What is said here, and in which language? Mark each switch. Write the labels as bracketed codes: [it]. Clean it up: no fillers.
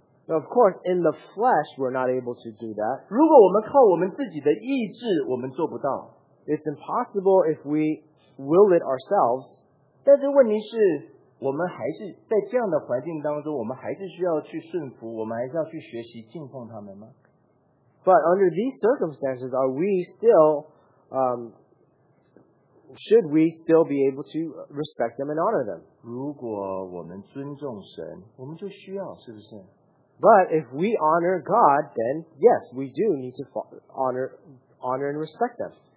[en] but of course, in the flesh, we're not able to do that. [zh] 如果我们靠我们自己的意志, [en] it's impossible if we will it ourselves. [zh] 但是问题是, 我们还是在这样的环境当中, 我们还是需要去顺服, 我们还是要去学习敬奉他们吗? [en] But under these circumstances, are we still, should we still be able to respect them and honor them? [zh] 如果我们尊重神, 我们就需要, 是不是? [en] But if we honor God, then yes, we do need to honor and respect them.